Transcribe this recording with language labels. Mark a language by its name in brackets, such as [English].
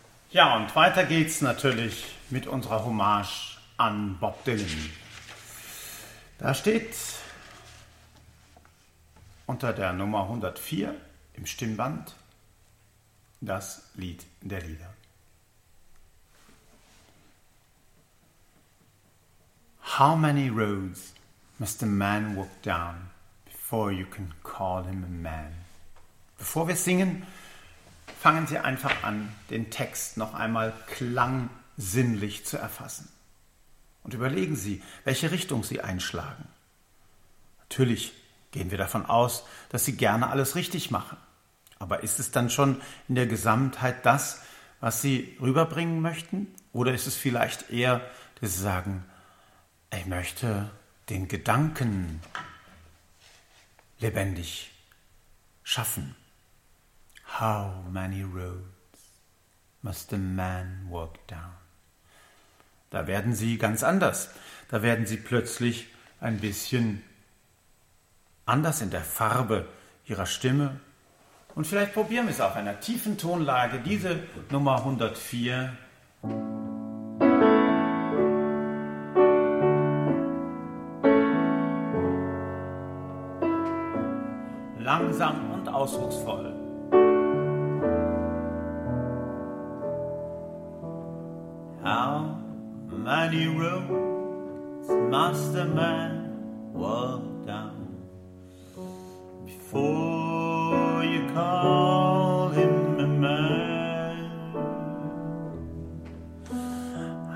[German] Ja, und weiter geht's natürlich mit unserer Hommage an Bob Dylan. Da steht unter der Nummer 104 im Stimmband das Lied der Lieder. [English] How many roads must a man walk down before you can call him a man? [German] Bevor wir singen, fangen Sie einfach an, den Text noch einmal klangsinnlich zu erfassen. Und überlegen Sie, welche Richtung Sie einschlagen. Natürlich gehen wir davon aus, dass Sie gerne alles richtig machen. Aber ist es dann schon in der Gesamtheit das, was Sie rüberbringen möchten? Oder ist es vielleicht eher, dass Sie sagen, ich möchte den Gedanken lebendig schaffen? [English] How many roads must a man walk down? [German] Da werden Sie ganz anders. Da werden Sie plötzlich ein bisschen anders in der Farbe Ihrer Stimme. Und vielleicht probieren wir es auf einer tiefen Tonlage, diese Nummer 104. Langsam und ausdrucksvoll. [English] How many roads must a man walk down before you call him a man?